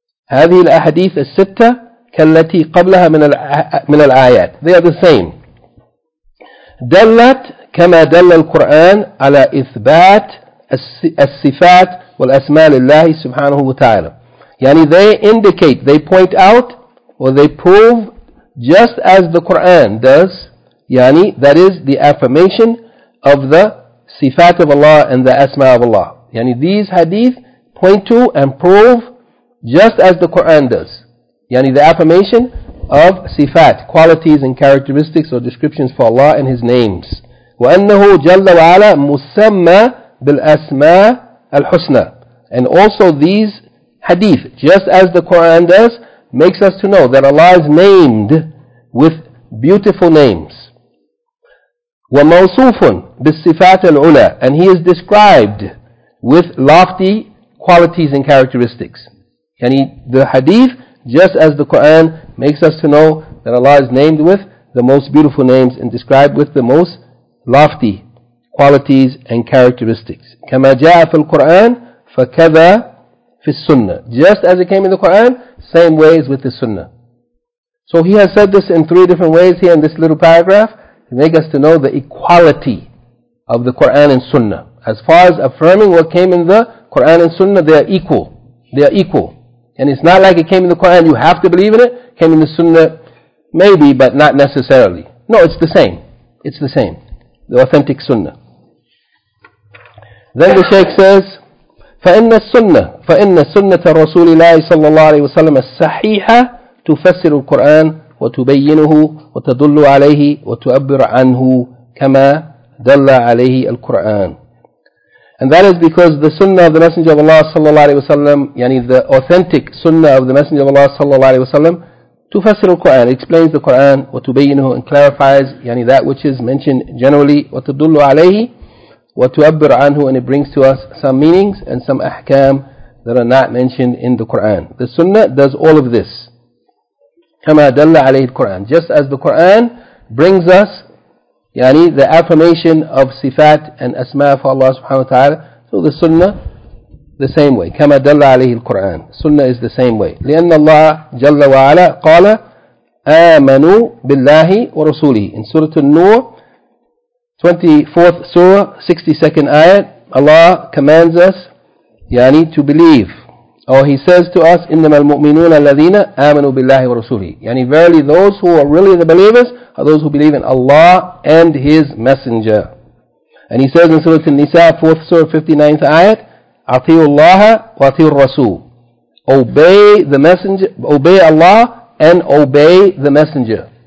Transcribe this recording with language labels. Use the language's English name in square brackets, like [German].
[Arabic] هذه الأحاديث الستة كالتي قبلها من الآيات. [English] They are the same. [Arabic] دلت كما دل القرآن على إثبات الصفات والأسماء لله سبحانه وتعالى. [English] يعني they indicate, they point out, or they prove just as the Quran does. يعني that is the affirmation of the صفات of Allah and the أسماء of Allah. يعني these hadith point to and prove just as the Quran does. يعني the affirmation of صفات, qualities and characteristics or descriptions for Allah and His names. [Arabic] وأنه جل وعلا مسمى بالأسماء الحسنى. [English] And also these hadith, just as the Quran does, makes us to know that Allah is named with beautiful names. [Arabic] وموصوف بالصفات العلى. [English] And He is described with lofty qualities and characteristics. يعني the hadith, just as the Quran, makes us to know that Allah is named with the most beautiful names and described with the most lofty qualities and characteristics. [Arabic] كما جاء في القرآن فكذا في السنة. [English] Just as it came in the Quran, same ways with the Sunnah. So he has said this in three different ways here in this little paragraph to make us to know the equality of the Quran and Sunnah. As far as affirming what came in the Quran and Sunnah, they are equal. They are equal. And it's not like it came in the Quran, you have to believe in it. Came in the Sunnah, maybe, but not necessarily. No, it's the same. It's the same. The authentic Sunnah. Then the Shaykh says, [Arabic] فَإِنَّ سُنَّةَ رَسُولِ اللَّهِ صَلَّى اللَّهُ عَلَيْهِ وَسَلَّمَ السَّحِيحَةَ تُفَسِّرُ الْقُرْآنَ وَتُبَيِّنُهُ وَتَدُلُّ عَلَيْهِ وَتُعَبِّرُ عَنْهُ كَمَا دَلَّ عَلَيْهِ الْقُرْآنَ. [English] And that is because the sunnah of the Messenger of Allah sallallahu alayhi wa sallam, yani the authentic sunnah of the Messenger of Allah sallallahu alayhi wa sallam, [Arabic] tufassir al-Quran, [English] explains the Quran, [Arabic] wa tubayyinuhu, [English] and clarifies, yani that which is mentioned generally, [Arabic] wa tudullu alayhi, wa tu'abbir anhu, [English] and it brings to us some meanings and some ahkam that are not mentioned in the Quran. The sunnah does all of this. [Arabic] Kama dalla alayhi al-Quran. [English] Just as the Quran brings us yani the affirmation of sifat and asma for Allah subhanahu wa ta'ala, so the sunnah, the same way. [Arabic] كَمَا دَلَّ عَلَيْهِ الْقُرْآنِ. [English] Sunnah is the same way. [Arabic] لِأَنَّ اللَّهَ جَلَّ وَعَلَىٰ قَالَ آمَنُوا بِاللَّهِ وَرَسُولِهِ. [English] In Surah An-Nur, 24th Surah, 62nd Ayat, Allah commands us, yani to believe. Or He says to us, [Arabic] إِنَّمَا الْمُؤْمِنُونَ الَّذِينَ آمَنُوا بِاللَّهِ وَرَسُولِهِ. [English] Yani verily those who are really the believers are those who believe in Allah and His Messenger. And He says in Surah An-Nisa, 4th Surah, 59th Ayat, [Arabic] أَطِيُوا اللَّهَ وَأَطِيُوا الرَّسُولِ. [English] Obey the Messenger, obey Allah and obey the Messenger.